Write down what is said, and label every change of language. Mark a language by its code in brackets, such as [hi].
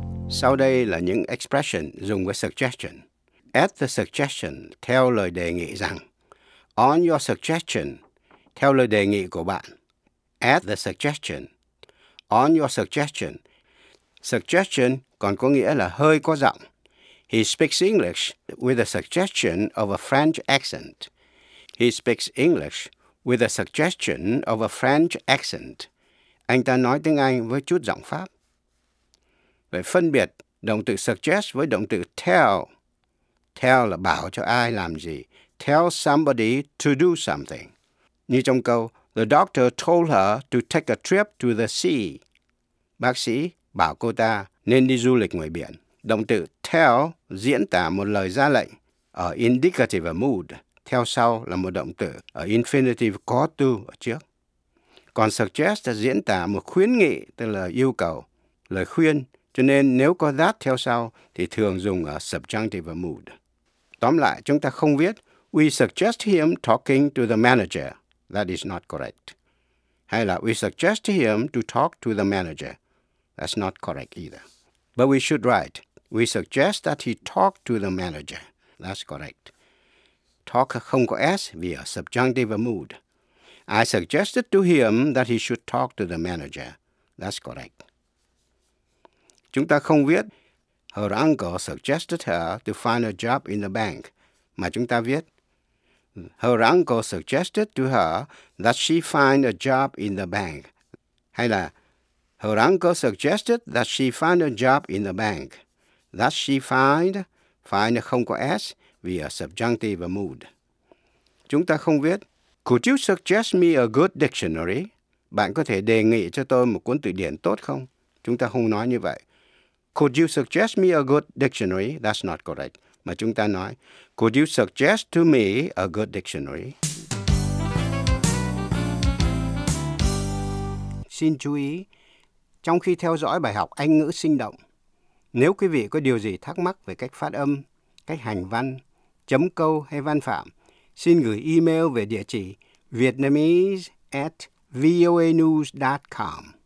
[vi] Sau đây là những expression dùng với suggestion. At the suggestion, theo lời đề nghị rằng. On your suggestion, theo lời đề nghị của bạn. At the suggestion. On your suggestion. Suggestion còn có nghĩa là hơi có giọng. [en] He speaks English with a suggestion of a French accent. He speaks English with a suggestion of a French accent. [vi] Anh ta nói tiếng Anh với chút giọng Pháp. Vậy phân biệt động từ suggest với động từ tell. Tell là bảo cho ai làm gì. [en] Tell somebody to do something. [vi] Như trong câu, [en] the doctor told her to take a trip to the sea. [vi] Bác sĩ bảo cô ta nên đi du lịch ngoài biển. Động từ tell diễn tả một lời ra lệnh ở indicative mood. Theo sau là một động từ ở infinitive có to ở trước. Còn suggest diễn tả một khuyến nghị, tức là yêu cầu, lời khuyên. Cho nên nếu có that theo sau thì thường dùng ở subjunctive mood. Tóm lại, chúng ta không viết [en] we suggest him talking to the manager. That is not correct. [vi] Hay là [en] we suggest him to talk to the manager. That's not correct either. But we should write we suggest that he talk to the manager. That's correct. [vi] Talk không có S vì ở subjunctive mood. [en] I suggested to him that he should talk to the manager. That's correct. [vi] Chúng ta không viết [en] her uncle suggested her to find a job in the bank. [vi] Mà chúng ta viết [en] her uncle suggested to her that she find a job in the bank. [vi] Hay là [en] her uncle suggested that she find a job in the bank. [vi] That she find không có S vì ở subjunctive mood. Chúng ta không viết [en] could you suggest me a good dictionary? [vi] Bạn có thể đề nghị cho tôi một cuốn từ điển tốt không? Chúng ta không nói như vậy. [en] Could you suggest me a good dictionary? That's not correct. [vi] Mà chúng ta nói, [en] could you suggest to me a good dictionary? [vi] Xin chú ý, trong khi theo dõi bài học Anh ngữ sinh động, nếu quý vị có điều gì thắc mắc về cách phát âm, cách hành văn, chấm câu hay văn phạm, xin gửi email về địa chỉ vietnamese@voanews.com.